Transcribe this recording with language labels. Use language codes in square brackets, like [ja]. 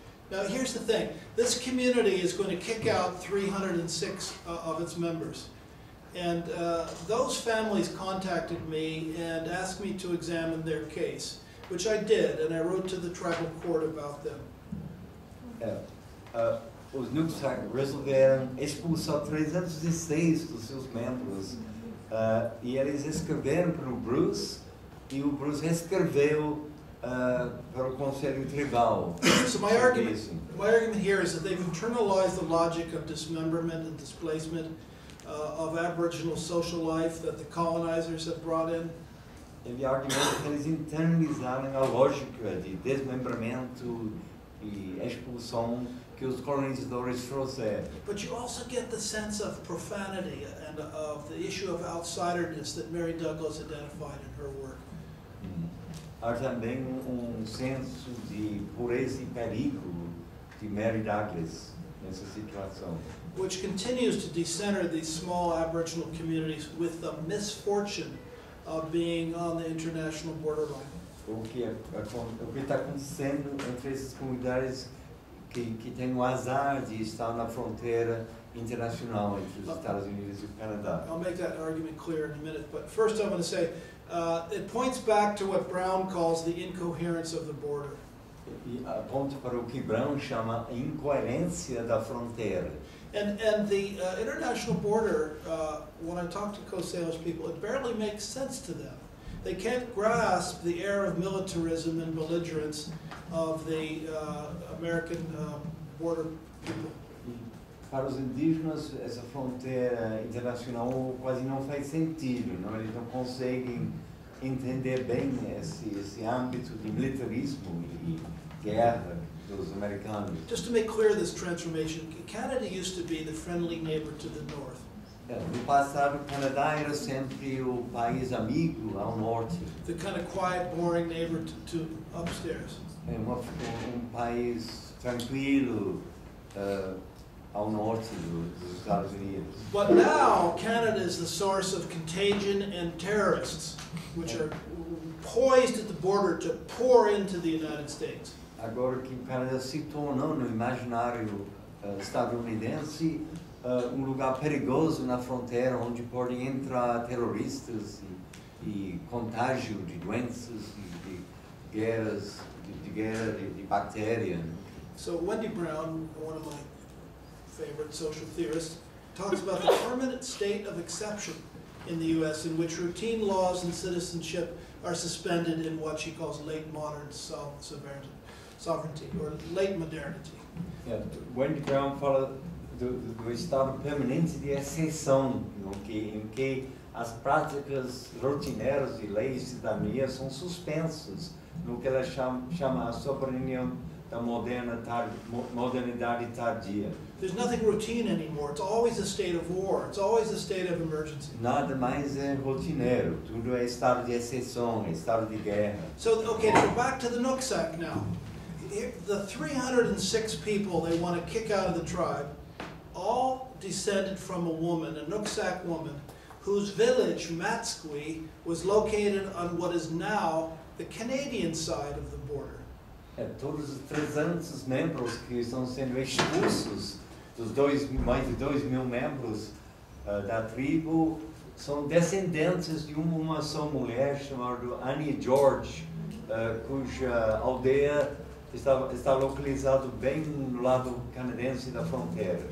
[en] Now here's the thing: this community is going to kick out 306 of its members, and those families contacted me and asked me to examine their case, which I did, and I wrote to the tribal court about them. [pt] Os Nuksak resolveram expulsar 306 dos seus membros, e eles escreveram para o Bruce, e o Bruce escreveu para o Conselho Tribal. [en] So my argument here is that they've internalized the logic of dismemberment and displacement of Aboriginal social life that the colonizers have brought in. [pt] Ele argumenta que eles internalizaram a lógica de desmembramento e expulsão que os colonizadores trouxeram. [en] But you also get the sense of profanity and of the issue of outsiderness that Mary Douglas identified in her work. [pt] Há também senso de pureza e perigo de Mary Douglas nessa situação. [en] Which continues to decenter these small Aboriginal communities with the misfortune of being on the international borderline. [pt] O que está acontecendo entre essas comunidades que têm o azar de estar na fronteira internacional entre os Estados Unidos e o Canadá. [en] I'll make that argument clear in a minute, but first I'm going to say it points back to what Brown calls the incoherence of the border. [pt] E aponta para o que Brown chama a incoerência da fronteira. [en] And the international border, when I talk to Coast Salish people, it barely makes sense to them. They can't grasp the air of militarism and belligerence of the American border people. [pt] Para os indígenas, essa fronteira internacional quase não faz sentido, não? Eles não conseguem entender bem esse âmbito de militarismo e guerra dos americanos. [en] Just to make clear this transformation, Canada used to be the friendly neighbor to the north. [pt] No passado, o Canadá era sempre o país amigo ao norte. [en] The kind of quiet, boring neighbor to upstairs. [pt] É um país tranquilo, ao norte dos Estados Unidos. [en] But now Canada is the source of contagion and terrorists, which are poised at the border to pour into the United States. [pt] Agora que o Canadá se tornou no imaginário estadunidense um lugar perigoso na fronteira onde podem entrar terroristas e contágio de doenças e de guerra de bactéria. [en] So Wendy Brown, one of my favorite social theorists, talks about the permanent state of exception in the U.S. in which routine laws and citizenship are suspended in what she calls late modern sovereignty. sovereignty or late modernity. Yeah, when the [pt] Graham fala do estado permanente de exceção, no que em que as práticas rotineiras de leis e da minha são suspensas no que ela chama a soberania da modernidade tardia. [en] There's nothing routine anymore. It's always a state of war. It's always a state of emergency. [pt] Nada mais é rotineiro. Tudo é estado de exceção, estado de guerra. [en] So, okay, so back to the Nooksack now. The 306 people they want to kick out of the tribe all descended from a woman, a Nooksack woman, whose village, Matsqui, was located on what is now the Canadian side of the border. [pt] É, todos os 300 membros que estão sendo expulsos, mais de 2 mil membros da tribo, são descendentes de uma só mulher chamada Annie George, cuja aldeia está localizada bem no lado canadense da fronteira.